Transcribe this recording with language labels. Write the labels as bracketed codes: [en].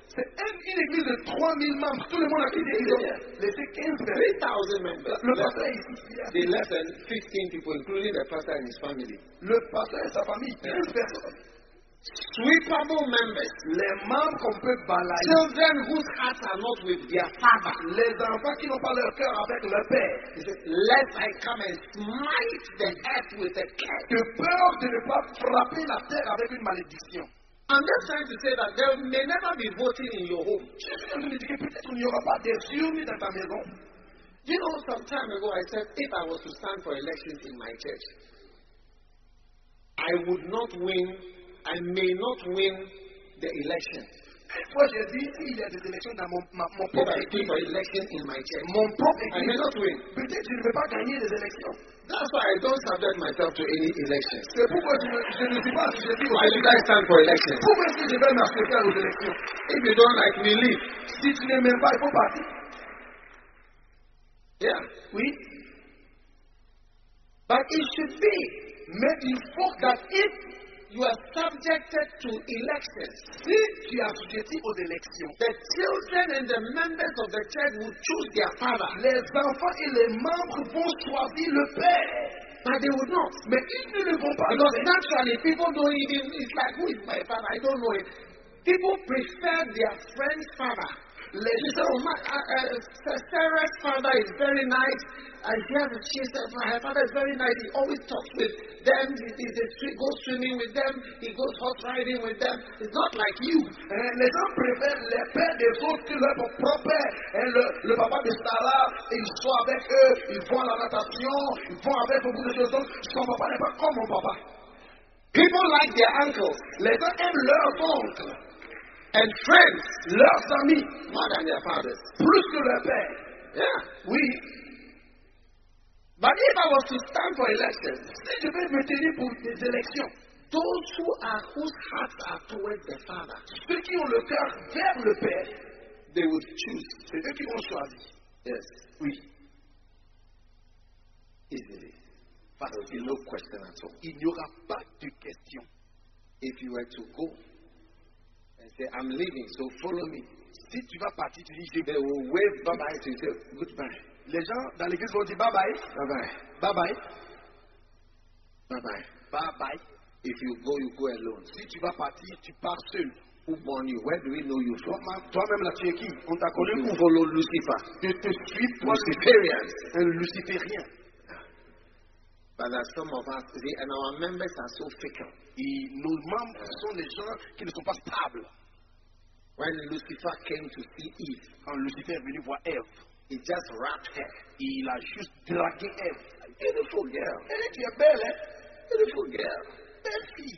[fr] C'est une église de 3,000 membres. Tout le monde a quitté. Ils ont laissé [en] 3,000 members. [fr] Le pasteur est ici. [en] They left 15 people, including the pastor and his family. [fr] Le pasteur et sa famille, 15 personnes. [en] Sweepable members. [fr] Les membres qu'on peut balayer. [en] Children whose hearts are not with their father. [fr] Les enfants qui n'ont pas leur cœur avec leur père. [en] Lest I come and smite the earth with a curse. [fr] De peur de ne pas frapper la terre avec une malédiction. [en] I'm just trying to say that there may never be voting in your home. You know, some time ago I said, if I was to stand for elections in my church, I would not win, I may not win the election. [fr] Moi, j'ai dit, il y a des élections dans mon propre équipe. Mon propre équipe. Peut-être que je ne vais pas gagner les élections. [en] That's why I don't subject myself to any elections. [fr] C'est pourquoi je ne dis pas, je dis, [en] why do you guys stand for elections? [fr] Pourquoi est-ce que je vais m'associer aux élections? [en] If you don't like me, leave. [fr] Si tu n'aimes pas, il faut partir. [en] Yeah. [fr] Oui. [en] But it should be, maybe you spoke that if you are subjected to elections. [fr] Si tu es sujet aux élections, [en] the children and the members of the church will choose their father. [fr] Les enfants et les membres vont choisir le père. [en] But they would not. [fr] Mais ils ne le vont pas. [en] Because naturally, people don't even. It's like, who is my father? I don't know it. People prefer their friend's father. [fr] Les gens, [en] Sarah's father is very nice. And she said, her father is very nice. He always talks with them. He goes swimming with them. He goes horse riding with them. It's not like you. [fr] Les gens préfèrent les pères des autres que leur propre. Le papa de Sarah, ils sont avec eux. Ils font la natation. Ils font avec beaucoup de choses. Son papa n'est pas comme mon papa. [en] People like their uncles. [fr] Les gens aiment leurs oncles. [en] And friends, [fr] leurs amis, [en] more than their fathers, [fr] plus que leur père. [en] Yeah, [fr] oui. [en] But if I was to stand for elections, [fr] si je vais me tenir pour des élections, [en] those who are whose hearts are towards the father, [fr] ceux qui ont le cœur vers le père, [en] they would choose. [fr] C'est eux qui vont choisir. [en] Yes, [fr] oui. [en] Easily. But there will be no question at all. [fr] Il n'y aura pas de question. [en] If you were to go. And say, I'm leaving, so follow me. [fr] Si tu vas partir, tu dis, [en] they will wave bye-bye to you. Say, goodbye. [fr] Les gens dans l'église vont dire bye-bye. [en] Bye-bye. Bye-bye. Bye-bye. Bye-bye. If you go, you go alone. [fr] Si tu vas partir, tu pars seul. [en] Who born you? Where do we know you from? [fr] Toi-même, là, tu es qui? On t'a connu. [en] You follow Lucifer. [fr] Je te suis toi. Luciferians. Un Luciferien. [en] But there are some of us, see, and our members are so fickle. [fr] Et nos membres sont des gens qui ne sont pas stables. [en] When Lucifer came to see Eve, [fr] quand Lucifer est venu voir Eve, [en] he just wrapped her. [fr] Il a juste dragué Eve. [en] Beautiful girl. [fr] Elle est belle, hein? [en] Beautiful girl. [fr] Belle fille.